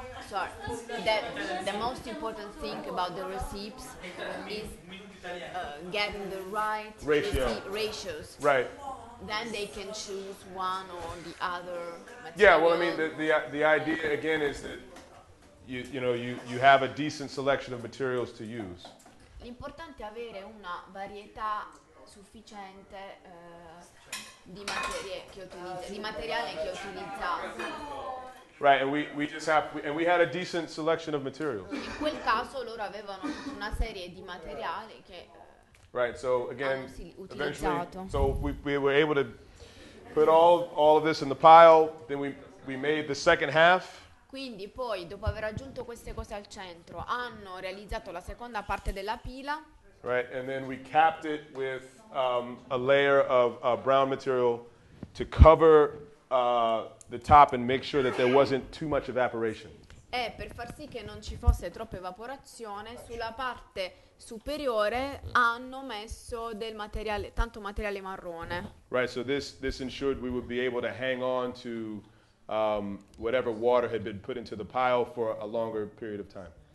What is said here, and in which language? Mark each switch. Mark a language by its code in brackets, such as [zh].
[en] That the most important thing about the recipes is getting the right ratios. Right. Then they can choose one or the other material. Yeah, well, I mean, the idea, again, is that, you know, you have a decent selection of materials to use. [it] L'importante è avere una varietà sufficiente di materiale che utilizzate. [en] Right, and we had a decent selection of materials. [it] In quel caso loro avevano una serie di materiali che... [en] Right, so again, eventually, so we were able to put all of this in the pile, then we made the second half. [it] Quindi poi, dopo aver aggiunto queste cose al centro, hanno realizzato la seconda parte della pila. [en] Right, and then we capped it with a layer of brown material to cover the top and make sure that there wasn't too much evaporation. [it] E per far sì che non ci fosse troppa evaporazione, sulla parte superiore hanno messo del materiale, tanto materiale marrone. [en] Right, so this ensured we would be able to hang on to whatever water had been put into the pile for a longer period of time.